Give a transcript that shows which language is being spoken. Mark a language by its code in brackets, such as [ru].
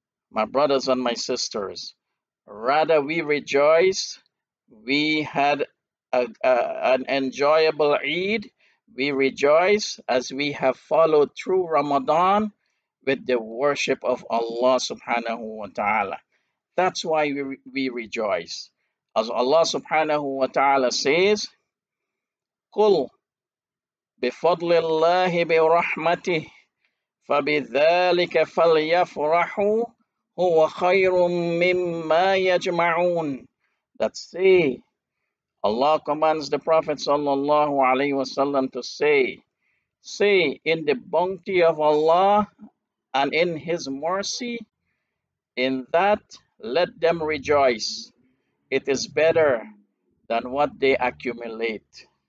[en] My brothers and my sisters, rather we rejoice. We had an enjoyable Eid. We rejoice as we have followed through Ramadan with the worship of Allah subhanahu wa ta'ala. That's why we rejoice. [ar] As Allah subhanahu wa ta'ala says, قُلْ بِفَضْلِ اللَّهِ بِرَحْمَتِهِ فَبِذَلِكَ فَلْيَفْرَحُوا هُوَ خَيْرٌ مِّمَّا يَجْمَعُونَ. [en] That say, Allah commands the Prophet sallallahu alayhi wasallam to say, in the bounty of Allah and in His mercy, in that let them rejoice. It is better than what they accumulate.